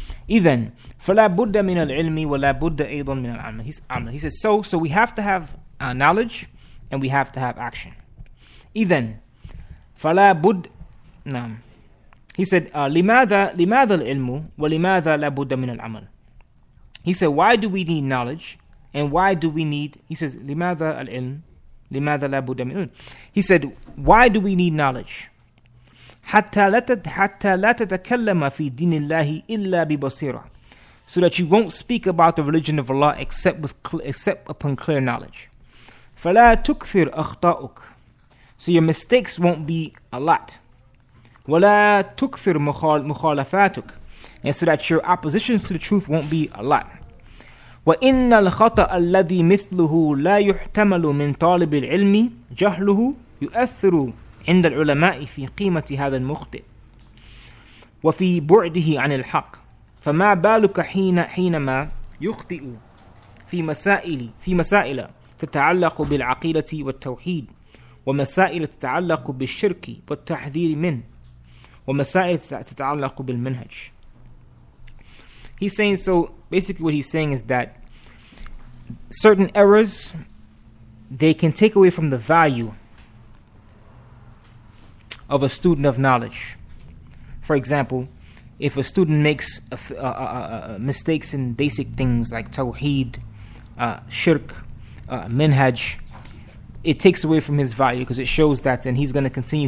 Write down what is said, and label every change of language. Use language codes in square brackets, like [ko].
[ar] إذن فلا بد من العلم ولا بد أيضا من العمل. [en] He says, so we have to have knowledge and we have to have action. [ar] إذن فلا بد نعم. [en] He said, [ar] لماذا العلم ولماذا لا بد من العمل. [en] He said, why do we need knowledge and why do we need, he says, [ar] لماذا العلم لماذا لا بد من العلم. [en] He said, why do we need knowledge? [ar] حَتَّى لَا تَتَكَلَّمَ فِي دِينِ اللَّهِ إِلَّا بِبَصِيرًا. [en] So that you won't speak about the religion of Allah except upon clear knowledge. [ar] فَلَا تُكْثِرْ أَخْطَاؤُكَ. [en] So your mistakes won't be a lot. [ar] وَلَا تُكْثِرْ مُخَالَفَاتُكَ. [en] And so that your oppositions to the truth won't be a lot. [ar] وَإِنَّ الْخَطَأَ الَّذِي مِثْلُهُ لَا يُحْتَمَلُ مِنْ طَالِبِ الْعِلْمِ جَهْلُهُ يُؤَثِّرُ عند العلماء في قيمة هذا المخطئ وفي بعده عن الحق فما بالك حينما يخطئ في مسائل تتعلق بالعقيدة والتوحيد ومسائل تتعلق بالشرك والتحذير منه ومسائل تتعلق بالمنهج. [en] He's saying, so basically what he's saying is that certain errors, they can take away from the value of a student of knowledge. For example, if a student makes mistakes in basic things like tawheed, shirk, minhaj, it takes away from his value because it shows that, and he's going to continue.